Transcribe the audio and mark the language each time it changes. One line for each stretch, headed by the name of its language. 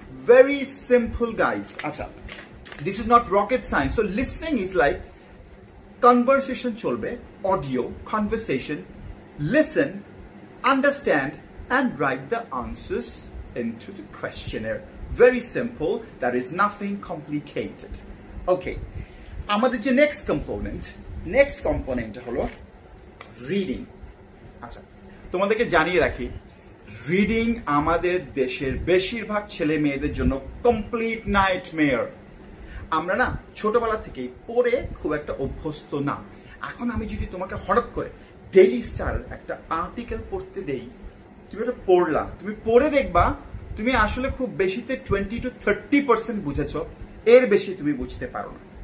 English: Very simple guys. আচ্ছা, this is not rocket science. So listening is like conversation চলবে, audio conversation, listen, understand and write the answers into the questionnaire. Very simple, there is nothing complicated. Okay,
Bangla: আমাদের যে next component, হলো reading. আচ্ছা, তোমাদেরকে জানিয়ে রাখি, reading আমাদের দেশের বেশিরভাগ ছেলে মেয়েদের জন্য complete nightmare. আমরা না ছোটবেলা থেকেই পড়ে খুব একটা অভ্যস্ত না। এখন আমি যদি তোমাকে হঠাৎ করে ডেইলি স্টার একটা আর্টিকেল পড়তে দেই, তুমি ওটা পড়লা, তুমি পড়ে দেখবা তুমি আসলে খুব বেশিতে 20-30% বুঝেছ, এর বেশি তুমি বুঝতে পারো না।